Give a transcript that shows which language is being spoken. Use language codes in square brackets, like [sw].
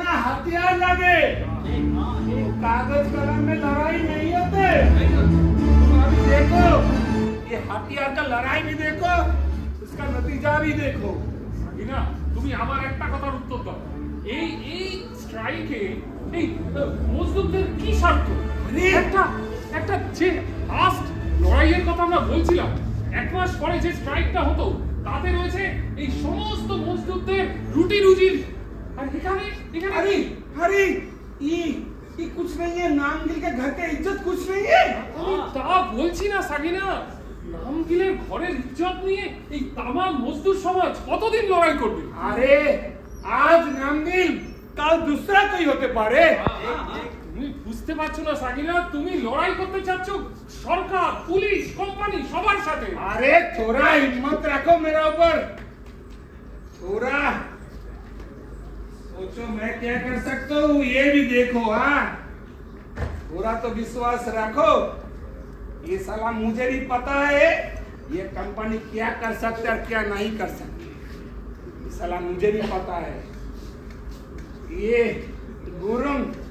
[hi] कागज कलम में लड़ाई नहीं होते। देखो ये हथियार का लड़ाई भी देखो इसका नतीजा भी देखो ना [bn] তুমি আমার একটা কথার উত্তর দাও এই এই স্ট্রাইকে এই মজদুরদের কি স্বার্থ মানে একটা একটা যে লাস্ট লড়াইয়ের কথা আমরা বলছিলাম এক মাস পরে যে স্ট্রাইকটা হতো তাতে রয়েছে এই সমস্ত মজদুরদের রুটি রুজির আর এখানে এখানে আরে আরে ই ই কিছু নেই নামগিল কে ঘর কে इज्जत কিছু নেই আমি তা বলছি না সাগিনা নামগিলের ঘরের ইজ্জত নিয়ে এই তামাম মজদুর সমাজ কতদিন লড়াই করবে আরে আজ নামগিল কাল দুসরা কই হতে পারে তুমি বুঝতে পারছো না সাগিনা তুমি লড়াই করতে চাচ্ছো সরকার পুলিশ কোম্পানি সবার সাথে আরে তোরা হিম্মত রাখো মেরা উপর তোরা [hi] सोचो मैं क्या कर सकता हूँ ये भी देखो हाँ पूरा तो विश्वास रखो ये साला मुझे नहीं पता है ये कंपनी क्या कर सकती है क्या नहीं कर सकती ये साला मुझे नहीं पता है ये गुरुंग